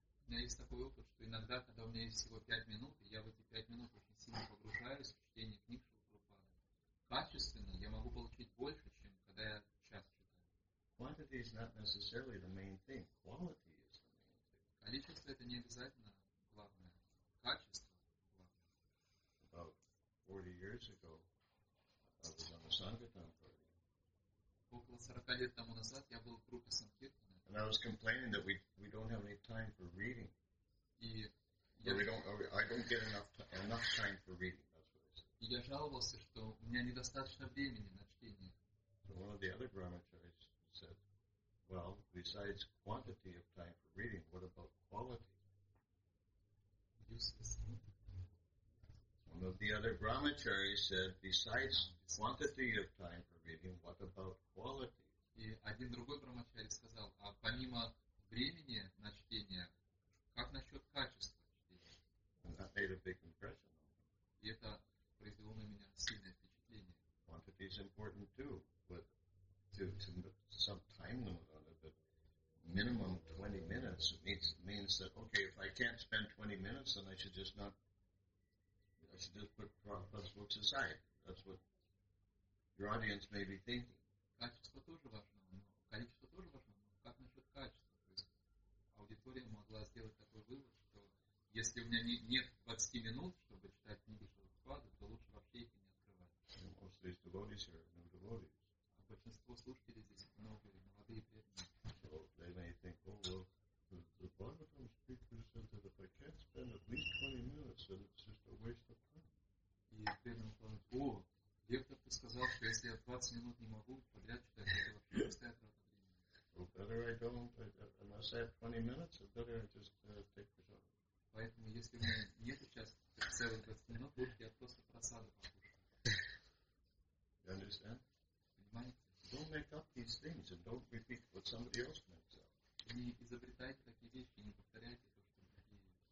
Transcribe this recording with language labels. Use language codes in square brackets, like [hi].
[ru] У меня есть такой опыт, что иногда, когда у меня есть всего 5 минут, и я в эти 5 минут очень сильно погружаюсь в чтение книг Прабхупады, качественно я могу получить больше, чем когда я час читаю. [en] Quantity is not necessarily the main thing. Quality. [ru] Количество это не обязательно главное. Качество главное. [en] About 40 years ago, I was on the Sankirtan party. [ru] Около 40 лет тому назад я был в группе Санкиртана. [en] And I was complaining that we don't have any time for reading. I don't get enough time for reading. That's what I said. [ru] И я жаловался, что у меня недостаточно времени на чтение. [en] So one of the other brahmacharis said, well, besides quantity of time for reading, what about quality? Useless. One of the other brahmacharis said, besides quantity of time for reading, what about quality? [ru] И один другой брамачари сказал, а помимо времени на чтение, как насчет качества чтения? [en] And that made a big impression on me. [ru] И это произвело на меня сильное впечатление. [en] Quantity is important too, but to some time limit on it, but minimum 20 minutes means that, okay, if I can't spend 20 minutes, then I should just put Prabhupada's books aside. That's what your audience may be thinking. [ru] Качество тоже важно, но количество тоже важно, но как насчет качества? То есть аудитория могла сделать такой вывод, что если у меня нет 20 минут, чтобы читать книги Прабхупады, то лучше вообще их не открывать. [en] Most of these devotees here are new devotees. [ru] Большинство слушателей здесь новые, молодые преданные. [en] So they may think, oh, well, the Bhagavatam speaker said that if I can't spend at least 20 minutes, then it's just a waste of time. [ru] И преданный говорит, о, лектор ты сказал, что если я 20 минут не могу подряд читать, это вообще не стоит трата времени. [en] So better I don't, unless I have 20 minutes, or better I just take the job. [ru] Поэтому если у меня нет сейчас целых 20 минут, лучше я просто просаду покушаю. [en] You understand? Don't make up these things and don't repeat what somebody else makes up. [ru] Не изобретайте такие вещи, не повторяйте то, что другие.